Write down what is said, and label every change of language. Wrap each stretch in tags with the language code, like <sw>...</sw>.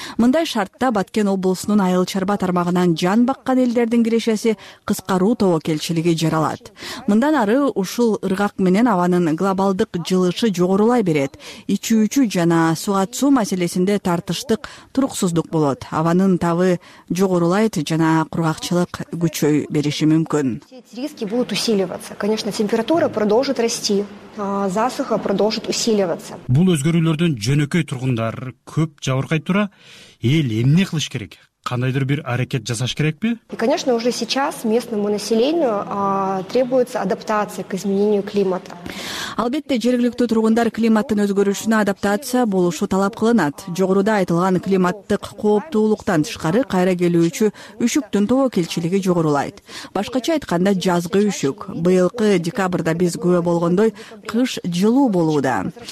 <ky>Мындай шартта Баткен облусунун айыл чарба тармагынан жан баккан элдердин кирешеси кыскаруу тобокелчилиги жаралат. Мындан ары ушул ыргак менен абанын глобалдык жылышы жогорулай берет. Ичүүчү жана сугатсуу маселесинде тартыштык, туруксуздук болот. Абанын табы жогорулайт жана кургакчылык күчөй берет.</ky> <ru>Риски будут усиливаться. Конечно, температура продолжит расти, засуха продолжит усиливаться.</ru> <ky>Бул өзгөрүүлөрдөн жөнөкөй тургундар көп жабыркайт тура. Эл эмне кылыш керек? Кандайдыр бир аракет жасаш керекпи?</ky> <ru>И, конечно, уже сейчас местному населению требуется адаптация к изменению климата.</ru> <ky>Албетте, жергиликтүү тургундар климаттын өзгөрүшүнө адаптация болушу талап кылынат. Жогоруда айтылган климаттык кооптуулуктан тышкары кайра келүүчү үшүктүн тобокелчилиги жогорулайт. Башкача айтканда, жазгы үшүк. Быйылкы декабрда биз күбө болгондой кыш жылуу болууда.</ky>